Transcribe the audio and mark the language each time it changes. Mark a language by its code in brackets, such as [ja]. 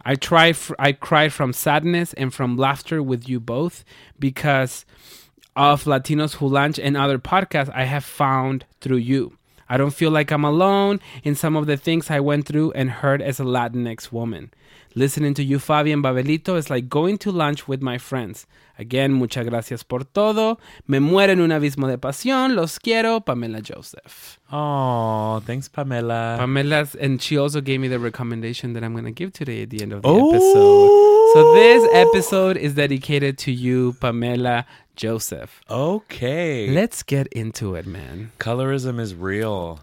[en] I cried from sadness and from laughter with you both because of Latinos Who Lunch and other podcasts I have found through you. I don't feel like I'm alone in some of the things I went through and heard as a Latinx woman. Listening to you, Fabi and Babelito, is like going to lunch with my friends. Again, [es] muchas gracias por todo. Me muero en un abismo de pasión. Los quiero, Pamela Joseph. [en] Oh, thanks, Pamela. Pamela's, and she also gave me the recommendation that I'm going to give today at the end of the episode. So this episode is dedicated to you, Pamela Joseph. Okay. Let's get into it, man. Colorism is real.